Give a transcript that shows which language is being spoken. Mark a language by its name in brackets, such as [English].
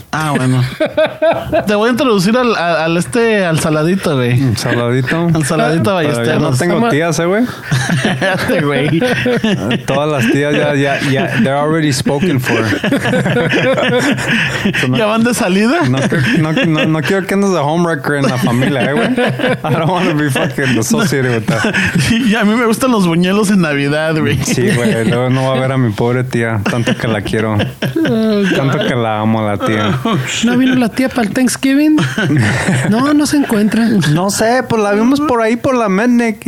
[Spanish] Ah, bueno. Te voy a introducir al saladito, güey. ¿Saladito? Al saladito Ballesteros. No tengo tías, güey. Este, güey. Todas las tías ya, they're already spoken for. ¿Ya van de salida? No quiero que andes de homewrecker en la familia, güey. [English] I don't want to be fucking associated with that. [Spanish] Y a mí me gustan los buñuelos en Navidad, güey. Sí, güey. Luego no va a ver a mi pobre tía. Tanto que la quiero. Tanto que la amo a la tía. ¿No vino la tía para el Thanksgiving? No se encuentra. No sé, pues la vimos por ahí, por la Mednek.